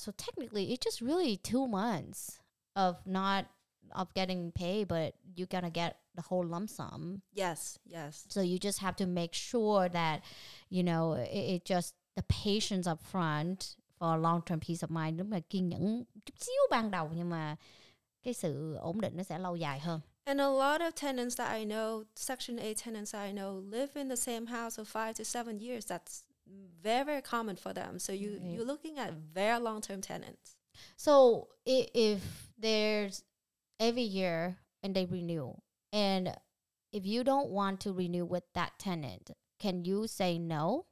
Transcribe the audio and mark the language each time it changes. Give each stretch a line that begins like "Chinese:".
English: So technically, it's just really 2 months of not of getting paid, but you're going to get the whole lump sum. Yes, yes. So you just have to make sure that, you know, it just the patience up front for a long-term peace of mind.
Vietnamese: Nhưng mà kiên nhẫn chút xíu ban đầu, nhưng mà cái sự ổn định nó sẽ lâu dài hơn.
English: And a lot of tenants that I know, Section 8 tenants that I know, live in the same house for 5 to 7 years. That's very, very common for them. So you, right. you're looking at very long-term tenants. So if there's every year and they renew, and if you don't want to renew with that tenant, can you say no?